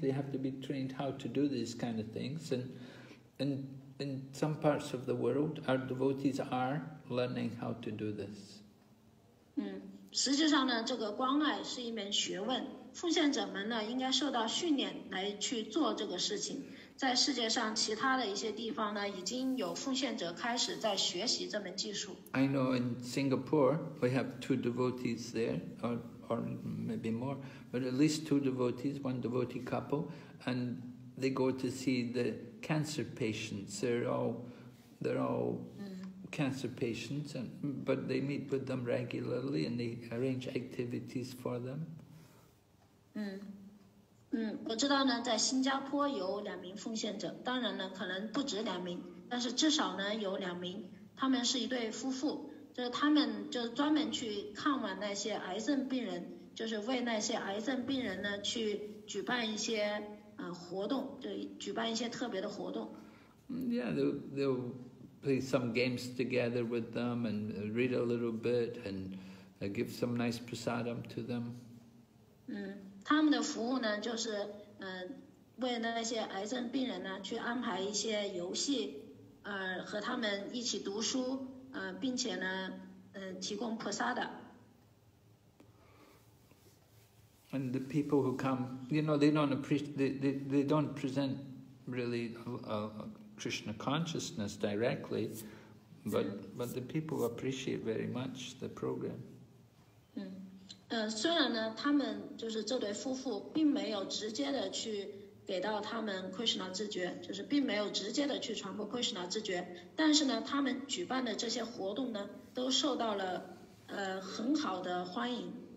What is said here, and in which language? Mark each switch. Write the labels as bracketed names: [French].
[English] They have to be trained how to do these kind of things. And in some parts of the world, our devotees are learning how to do this. [Chinese] 实际上呢，这个关爱是一门学问。奉献者们呢，应该受到训练来去做这个事情。在世界上其他的一些地方呢，已经有奉献者开始在学习这门技术。 [English] I know in Singapore we have two devotees there, or maybe more, but at least two devotees, one devotee couple, and they go to see the cancer patients. They're all cancer patients, but they meet with them regularly and they arrange activities for them. [Chinese] 我知道呢，在新加坡有两名奉献者，当然呢，可能不止两名，但是至少呢有两名，他们是一对夫妇，就是他们就专门去看望那些癌症病人，就是为那些癌症病人呢去举办一些活动，就举办一些特别的活动。 [English] Yeah, they'll play some games together with them and read a little bit and give some nice prasadam to them. [Chinese] 他们的服务呢，就是为那些癌症病人呢去安排一些游戏，和他们一起读书，并且呢，提供菩萨的。 [English] And the people who come, you know, they don't present really a Krishna consciousness directly, but the people appreciate very much the program. [Chinese] 虽然呢，他们就是这对夫妇，并没有直接的去给到他们 Krishna 知觉，就是并没有直接的去传播 Krishna 知觉，但是呢，他们举办的这些活动呢，都受到了很好的欢迎。